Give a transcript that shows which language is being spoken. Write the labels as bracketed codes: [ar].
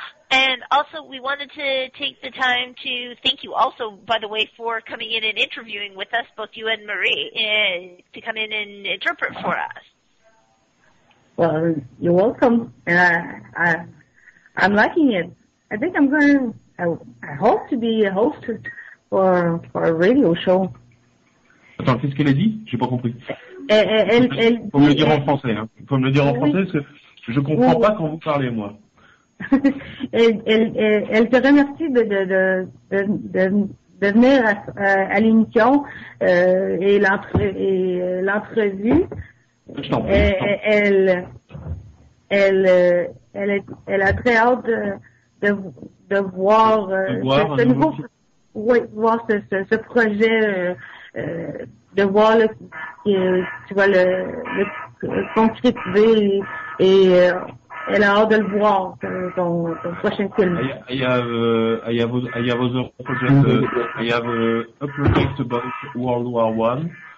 [en] And also, we wanted to take the time to thank you also, by the way, for coming in and interviewing with us, both you and Marie, to come in and interpret for us. Well, you're welcome. And I'm liking it. I think I'm going to, I hope to be a host for a radio show. [fr] Attends, qu'est-ce qu'elle a dit? J'ai pas compris. Elle, faut me le dire en français, hein. Faut me le dire en français, parce que je comprends pas quand vous parlez, moi. elle te remercie de venir à l'émission et l'entrevue. Je t'en prie. Elle a très hâte de voir ce nouveau... Oui, voir ce projet, de voir le concrétiser et elle a hâte de le voir dans le prochain film. [en] I have a project about World War One.